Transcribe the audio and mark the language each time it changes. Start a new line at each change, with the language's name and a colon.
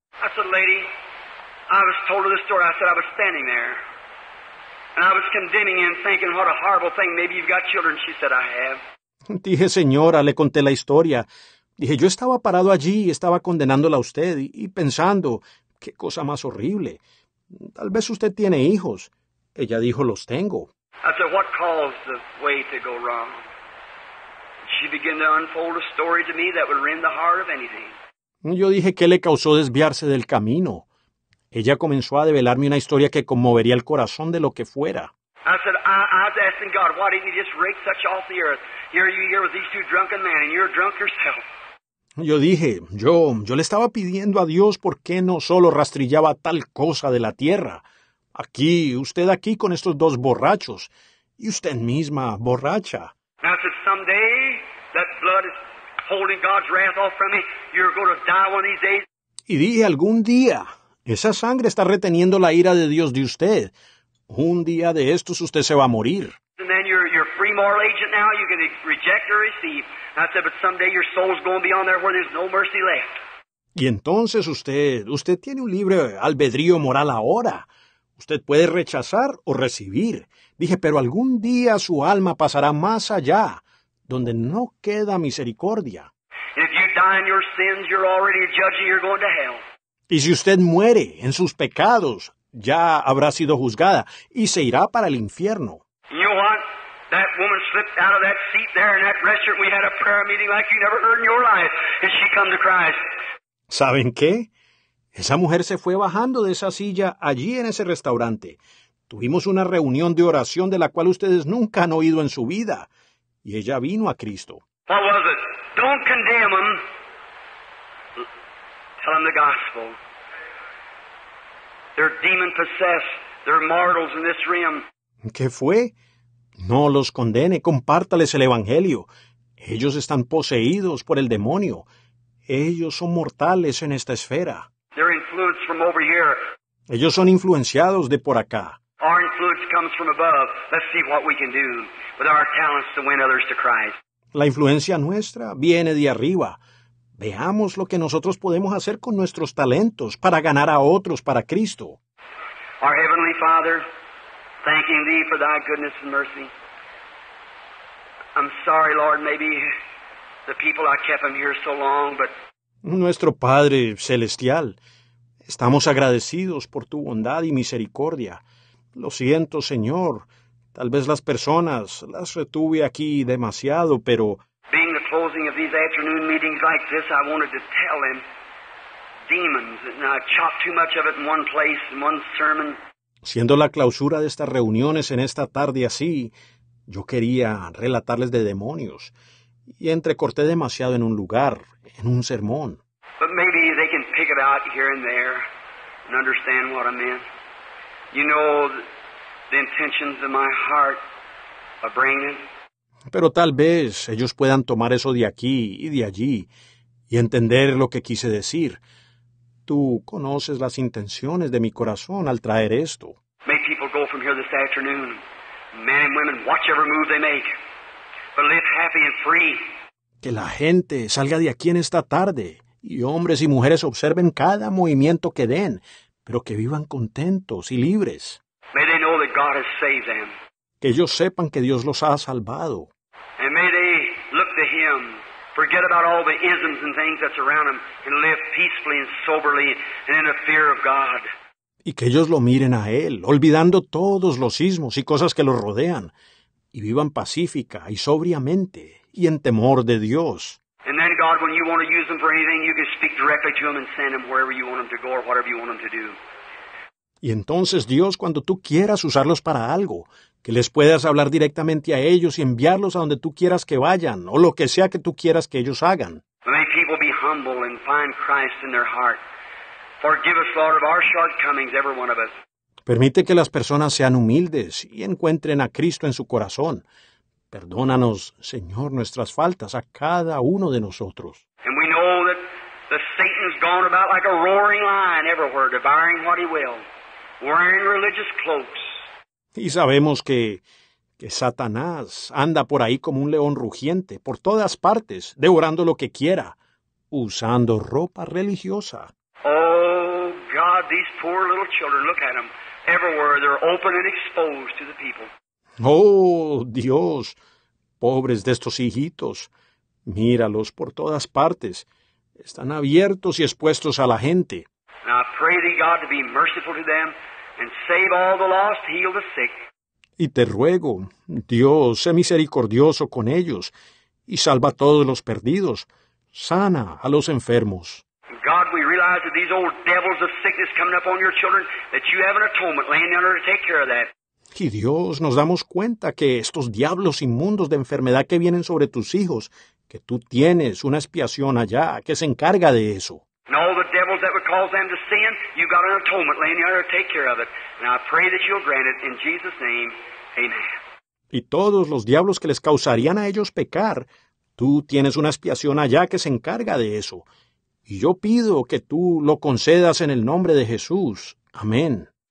English: I said, lady, I was told of this story. I said, I was standing there, and I was condemning him, thinking what a horrible thing. Maybe you've got children. She said, I have.
Spanish: Dije, señora, le conté la historia. Dije, yo estaba parado allí y estaba condenándola a usted y pensando, qué cosa más horrible. Tal vez usted tiene hijos. Ella dijo, los tengo.
English: I said, what caused the way to go wrong? She began to unfold a story to me that would rend the heart of anything.
Spanish: Yo dije, ¿qué le causó desviarse del camino? Ella comenzó a develarme una historia que conmovería el corazón de lo que fuera.
English: I said, I was asking God, why didn't he just rake such off the earth? Here you here with these two drunken men, and you're drunk yourself.
Spanish: Yo dije, yo le estaba pidiendo a Dios por qué no solo rastrillaba tal cosa de la tierra. Aquí, usted aquí con estos dos borrachos. Y usted misma, borracha.
English: And I said, someday, that blood is holding God's wrath off from me. You're going to die one of these days.
Spanish: Y dije, algún día, esa sangre está reteniendo la ira de Dios de usted. Un día de estos, usted se va a morir.
English: And then you're a free moral agent now. You can reject or receive. And I said, but someday your soul's going to be on there where there's no mercy left.
Spanish: Y entonces usted tiene un libre albedrío moral ahora. Usted puede rechazar o recibir. Dije, pero algún día su alma pasará más allá, donde no queda misericordia.
English: If you die in your sins, you're already a judge and you're going to hell.
Spanish: Y si usted muere en sus pecados, ya habrá sido juzgada y se irá para el infierno.
English: You know what? That woman slipped out of that seat there in that restaurant. We had a prayer meeting like you never heard in your life, and she come to Christ.
Spanish: ¿Saben qué? Esa mujer se fue bajando de esa silla allí en ese restaurante. Tuvimos una reunión de oración de la cual ustedes nunca han oído en su vida. Y ella vino a Cristo.
English: What was it? Don't condemn them. Tell them the gospel. They're demon-possessed. They're mortals in this realm.
Spanish: ¿Qué fue? No los condene. Compártales el evangelio. Ellos están poseídos por el demonio. Ellos son mortales en esta esfera.
English: They're influenced from over here.
Spanish: Ellos son influenciados de por acá.
English: Our influence comes from above. Let's see what we can do with our talents to win others to Christ.
Spanish: La influencia nuestra viene de arriba. Veamos lo que nosotros podemos hacer con nuestros talentos para ganar a otros para Cristo.
English: Our Heavenly Father, thanking Thee for Thy goodness and mercy. I'm sorry, Lord, maybe the people I kept them here so long, but...
Spanish: Nuestro Padre Celestial, estamos agradecidos por Tu bondad y misericordia. Lo siento, Señor. Tal vez las personas las retuve aquí demasiado, pero...
English: Being the closing of these afternoon meetings like this, I wanted to tell them demons. And I chopped too much of it in one place, in one sermon.
Spanish: Siendo la clausura de estas reuniones en esta tarde así, yo quería relatarles de demonios. Y entrecorté demasiado en un lugar, en un sermón.
English: But maybe they can pick it out here and there and understand what I meant. You know the intentions of my heart of bringing.
Spanish: Pero tal vez ellos puedan tomar eso de aquí y de allí y entender lo que quise decir. Tú conoces las intenciones de mi corazón al traer esto.
English: May people go from here this afternoon, men and women, watch every move they make, but live happy and free.
Spanish: Que la gente salga de aquí en esta tarde y hombres y mujeres observen cada movimiento que den, pero que vivan contentos y libres.
English: May they know that God has saved them.
Spanish: Que ellos sepan que Dios los ha salvado.
English: And may they look to Him, forget about all the isms and things that's around them, and live peacefully and soberly and in the fear of God.
Spanish: Y que ellos lo miren a Él, olvidando todos los ismos y cosas que los rodean, y vivan pacífica y sobriamente y en temor de Dios.
English: And then God, when you want to use them for anything, you can speak directly to them and send them wherever you want them to go or whatever you want them to do.
Spanish: Y entonces Dios, cuando tú quieras usarlos para algo, que les puedas hablar directamente a ellos y enviarlos a donde tú quieras que vayan o lo que sea que tú quieras que ellos hagan.
English: May people be humble and find Christ in their heart. Forgive us, Lord, of our shortcomings, every one of us.
Spanish: Permite que las personas sean humildes y encuentren a Cristo en su corazón. Perdónanos, Señor, nuestras faltas a cada uno de nosotros.
English: And we know that the Satan's gone about like a roaring lion everywhere, devouring what he will, wearing religious cloaks.
Spanish: Y sabemos que Satanás anda por ahí como un león rugiente, por todas partes, devorando lo que quiera, usando ropa religiosa.
English: Oh, God, these poor little children, look at them. Everywhere, they're open and exposed to the people.
Spanish: Oh, Dios, pobres de estos hijitos, míralos por todas partes. Están abiertos y expuestos a la gente.
English: And I pray thee, God, to be merciful to them and save all the lost, heal the sick.
Spanish: Y te ruego, Dios, sé misericordioso con ellos y salva a todos los perdidos. Sana a los enfermos.
English: God, we realize that these old devils of sickness coming up on your children, that you have an atonement laying down there to take care of that.
Spanish: Y Dios, nos damos cuenta que estos diablos inmundos de enfermedad que vienen sobre tus hijos, que tú tienes una expiación allá que se encarga de eso.
English: And all the devils that would cause them to sin, you've got an atonement laying down there to take care of it. And I pray that you'll grant it in Jesus' name. Amen.
Spanish: Y todos los diablos que les causarían a ellos pecar, tú tienes una expiación allá que se encarga de eso. Y yo pido que tú lo concedas en el nombre de Jesús. Amén.